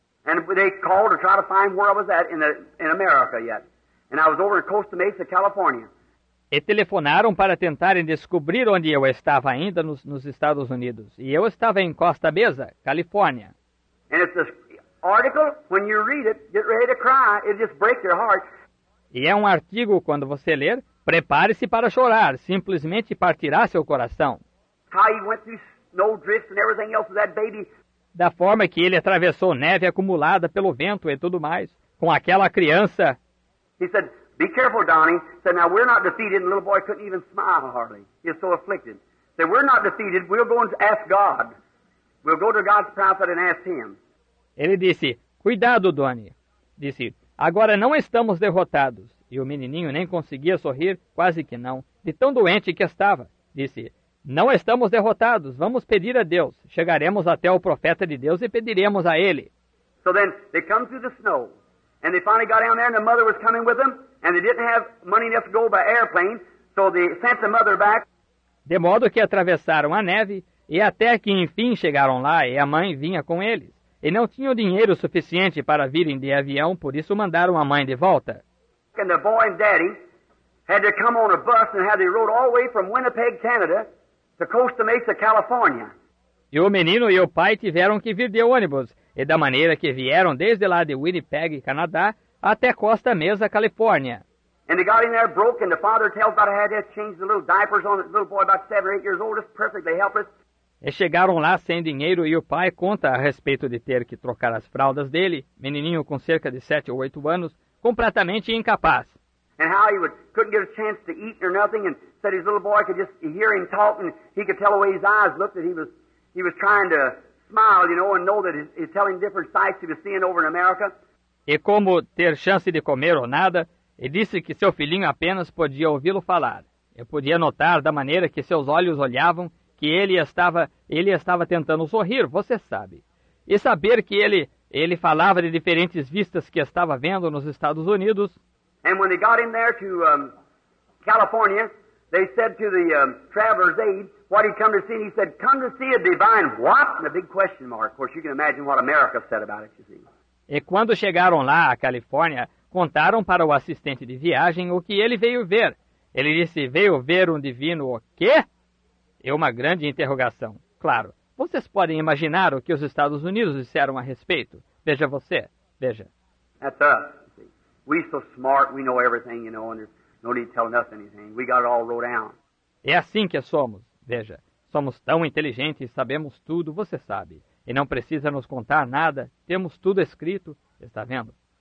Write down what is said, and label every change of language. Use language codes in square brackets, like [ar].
[en] And they called to try to find where I was at in America yet. And I was over in Costa Mesa, California. [pt] E telefonaram para tentarem descobrir onde eu estava ainda nos Estados Unidos. E eu estava em Costa Mesa, Califórnia. [en] And it's this article, when you read it, get ready to cry, it just breaks your heart. [pt] E é um artigo, quando você ler, prepare-se para chorar, simplesmente partirá seu coração. [en] How he went through snow drifts and everything else with that baby. [pt] Da forma que ele atravessou neve acumulada pelo vento e tudo mais, com aquela criança. [en] He said, be careful, Donnie. He said, now we're not defeated, and the little boy couldn't even smile hardly. He was so afflicted. He said, we're not defeated, we'll go and ask God. We'll go to God's prophet and ask him. [pt] Ele disse, cuidado, Donnie. Disse, agora não estamos derrotados. E o menininho nem conseguia sorrir, quase que não, de tão doente que estava. Disse, não estamos derrotados, vamos pedir a Deus. Chegaremos até o profeta de Deus e pediremos a ele. [en] So then they come through the snow. And they finally got down there and the mother was coming with them. And they didn't have money enough to go by airplane. So they sent the mother back. [pt] De modo que atravessaram a neve e até que enfim chegaram lá e a mãe vinha com eles. E não tinham dinheiro suficiente para virem de avião, por isso mandaram a mãe de volta. [en] And the boy and daddy had to come on a bus and had to rode all the way from Winnipeg, Canada, to Costa Mesa, California. [pt] E o menino e o pai tiveram que vir de ônibus, e da maneira que vieram desde lá de Winnipeg, Canadá, até Costa Mesa, Califórnia. [en] And they got in there broke, and the father tells about I had to change the little diapers on the little boy about 7 or 8 years old, just perfectly helpless. [pt] E chegaram lá sem dinheiro e o pai conta a respeito de ter que trocar as fraldas dele, menininho com cerca de 7 ou 8 anos, completamente incapaz. [en] And how he couldn't get a chance to eat or nothing, and said his little boy could just hear him talk, and he could tell the way his eyes looked, that he was trying to smile, you know, and know that he's telling different sights he was seeing over in America. [pt] E como ter chance de comer ou nada, e disse que seu filhinho apenas podia ouvi-lo falar. Eu podia notar da maneira que seus olhos olhavam, que ele estava tentando sorrir, você sabe. E saber que ele falava de diferentes vistas que estava vendo nos Estados Unidos. [en] And when they got in there to California, they said to the traveler's aide, what he'd come to see, and he said, come to see a divine what? And a big question mark. Of course, you can imagine what America said about it, you see. [pt] E quando chegaram lá à Califórnia, contaram para o assistente de viagem o que ele veio ver. Ele disse, veio ver um divino o quê? É uma grande interrogação. Claro, vocês podem imaginar o que os Estados Unidos disseram a respeito. Veja você, veja. [en] That's us. We so smart, we know everything, you know, and there's no need to tell us anything. We got it all wrote down. [pt] É assim que somos, veja. Somos tão inteligentes, sabemos tudo, você sabe. E não precisa nos contar nada, temos tudo escrito, está vendo?